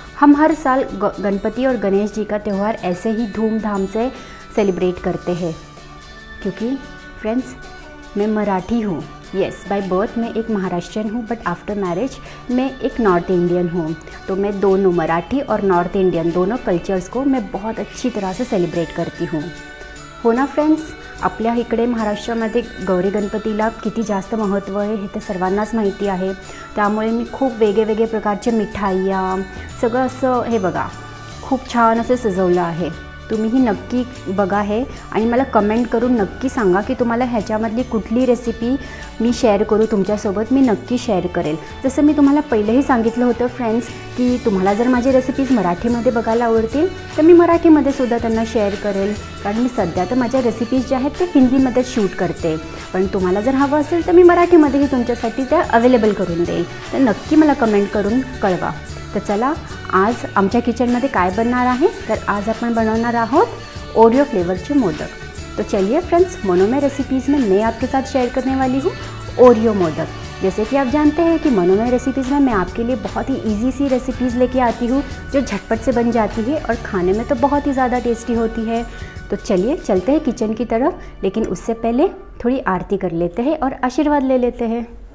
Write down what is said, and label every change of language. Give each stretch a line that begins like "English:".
Hindi: हम हर साल गणपति और गणेश जी का त्यौहार ऐसे ही धूमधाम से सेलिब्रेट करते हैं, क्योंकि फ्रेंड्स मैं मराठी हूँ। यस, बाय बर्थ मैं एक महाराष्ट्रियन हूँ, बट आफ्टर मैरिज मैं एक नॉर्थ इंडियन हूँ। तो मैं दोनों मराठी और नॉर्थ इंडियन दोनों कल्चर्स को मैं बहुत अच्छी तरह से सेलिब्रेट करती हूँ, हो ना फ्रेंड्स।
Marathi: आपल्या इकडे महाराष्ट्रामध्ये गौरी गणपतीला किती जास्त महत्त्व आहे हे तर सर्वांनाच माहिती आहे। त्यामुळे मी खूप वेगवेगळे प्रकारचे मिठाईया सगळं असं हे बघा खूप छान असं सजवलं आहे। तुम्हीही नक्की बघा हे आणि मला कमेंट करून नक्की सांगा की तुम्हाला ह्याच्यामधली कुठली रेसिपी मी शेअर करू तुमच्यासोबत, मी नक्की शेअर करेल। जसं मी तुम्हाला पहिलेही सांगितलं होतं फ्रेंड्स की तुम्हाला जर माझी रेसिपीज मराठीमध्ये बघायला आवडतील तर मी मराठीमध्ये सुद्धा त्यांना शेअर करेल, कारण मी सध्या तर माझ्या रेसिपीज ज्या आहेत ते हिंदीमध्ये शूट करते, पण तुम्हाला जर हवं असेल तर मी मराठीमध्येही तुमच्यासाठी त्या अवेलेबल करून देईल। तर नक्की मला कमेंट करून कळवा। तर चला आज आमच्या किचनमध्ये काय बनणार आहे, तर आज आपण बनवणार आहोत ओरिओ फ्लेवरचे मोदक।
Hindi: तर चलिए फ्रेंड्स, मनोमय रेसिपीजमध्ये मैं आपके साथ शेअर करने वाली हूँ ओरिओ मोदक। जैसे कि आप जानते हैं कि मनोमय रेसिपीजमध्ये मैं आपके लिए बहुत ही इजी सी रेसिपीज लेके आती हूँ जो झटपट से बन जाती है और खाने में तो बहुत ही ज़्यादा टेस्टी होती है। तो चलिए चलते हैं किचन की तरफ, लेकिन उससे पहले थोड़ी आरती कर लेते हैं और आशीर्वाद ले लेते हैं।